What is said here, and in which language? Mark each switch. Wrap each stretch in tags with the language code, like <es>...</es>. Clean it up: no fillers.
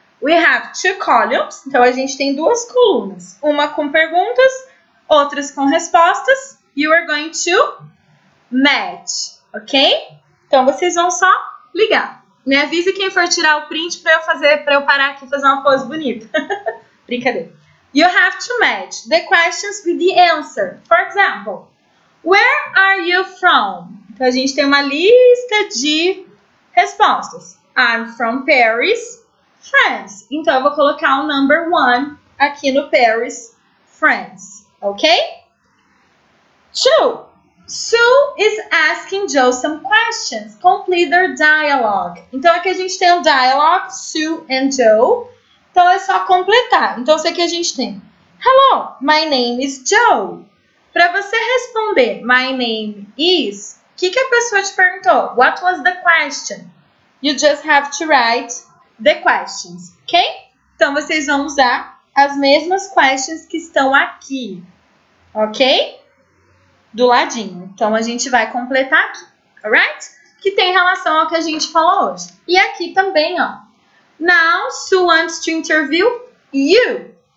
<en>We have two columns,</en> <pt>então a gente tem duas colunas, uma com perguntas, outras com respostas,</pt> <en>you are going to match,</en> <pt>ok? Então, vocês vão só ligar. Me avise quem for tirar o print para eu parar aqui e fazer uma pose bonita. Brincadeira.</pt> <en>You have to match the questions with the answer. For example, where are you from? Então,</en> <pt>Então, a gente tem uma lista de respostas.</pt> <en>I'm from Paris, France.</en> <pt>Então, eu vou colocar o number one aqui no Paris, France.</pt> <en>Ok? Two. Sue is asking Joe some questions. Complete their dialogue.</en> <pt>Então, aqui a gente tem o dialogue, Sue and Joe. Então, é só completar. Então, isso aqui a gente tem.</pt> <en>Hello, my name is Joe.</en> <pt>Para você responder,</pt> <en>my name is,</en> <pt>o que, que a pessoa te perguntou?</pt> <en>What was the question? You just have to write the questions, ok?</en> <pt>Então, vocês vão usar as mesmas questions que estão aqui, ok? Do ladinho. Então, a gente vai completar aqui, alright? Que tem relação ao que a gente falou hoje. E aqui também, ó.</pt> <en>Now, Sue wants to interview you.</en>